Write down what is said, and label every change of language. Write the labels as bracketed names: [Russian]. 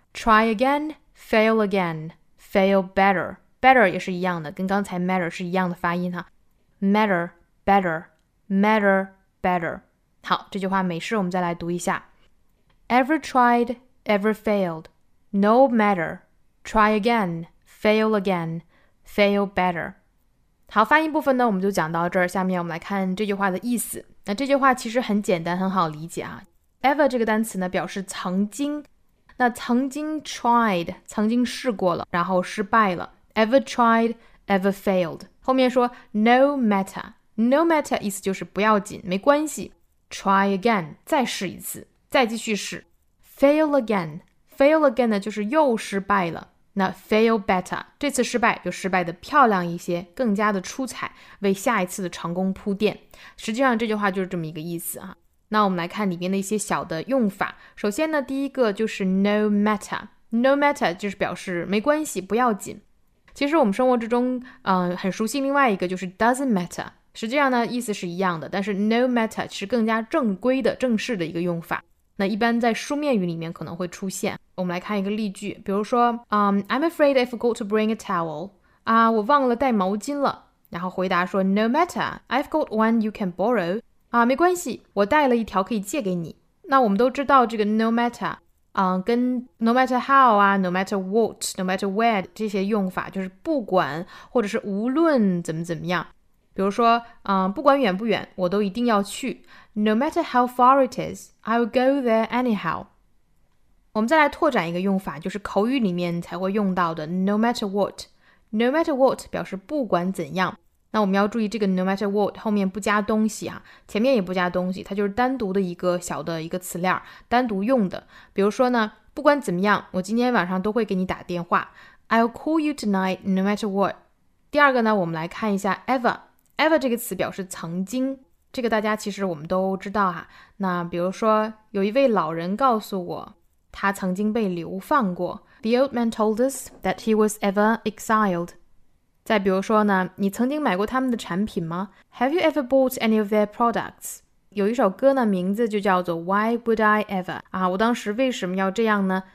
[English] Try again, fail again, fail better. [Chinese] Better 也是一样的，跟刚才 matter 是一样的发音哈。Matter, better, [English] matter better. [Chinese] 好，这句话美式我们再来读一下。 [English] Ever tried, ever failed. No matter. Try again, fail again, fail better. [Chinese] 好，发音部分呢我们就讲到这儿，下面我们来看这句话的意思。那这句话其实很简单，很好理解啊。Ever 这个单词呢表示曾经，那曾经 tried, 曾经试过了，然后失败了。 [English] Ever tried, ever failed. [Chinese] 后面说 no matter, no matter 意思就是不要紧，没关系。 [English] Try again, [Chinese] 再试一次，再继续试。 [English] Fail again, fail again [Chinese] 呢就是又失败了。那 [English] fail better, [Chinese] 这次失败就失败的漂亮一些，更加的出彩，为下一次的成功铺垫。实际上这句话就是这么一个意思啊。那我们来看里面的一些小的用法。首先呢，第一个就是 no matter， no matter 就是表示没关系，不要紧。其实我们生活之中，很熟悉另外一个就是 doesn't matter， 实际上呢意思是一样的，但是 no matter 是更加正规的、正式的一个用法。那一般在书面语里面可能会出现。我们来看一个例句，比如说， [English] I'm afraid I forgot to bring a towel， [Chinese] 啊，我忘了带毛巾了。然后回答说 [English] no matter， I've got one you can borrow。 [Chinese] 啊，没关系，我带了一条可以借给你。那我们都知道这个 no matter， 跟 no matter how 啊， no matter what， no matter where 这些用法，就是不管或者是无论怎么怎么样。比如说，不管远不远，我都一定要去。 [English] No matter how far it is, I will go there anyhow。 [Chinese] 我们再来拓展一个用法，就是口语里面才会用到的 no matter what。 No matter what 表示不管怎样。那我们要注意这个 [English] no matter what [Chinese] 后面不加东西啊，前面也不加东西，它就是单独的一个小的一个词链，单独用的。比如说呢，不管怎么样，我今天晚上都会给你打电话。 [English] I'll call you tonight no matter what。 [Chinese] 第二个呢，我们来看一下 ever。ever 这个词表示曾经，这个大家其实我们都知道啊。那比如说有一位老人告诉我他曾经被流放过。 [English] The old man told us that he was ever exiled。 [Chinese] 再比如说呢，你曾经买过他们的产品吗？ [English] Have you ever bought any of their products? [Chinese] 有一首歌呢，名字就叫做 [English] Why would I ever? [Chinese] 啊，我当时为什么要这样呢？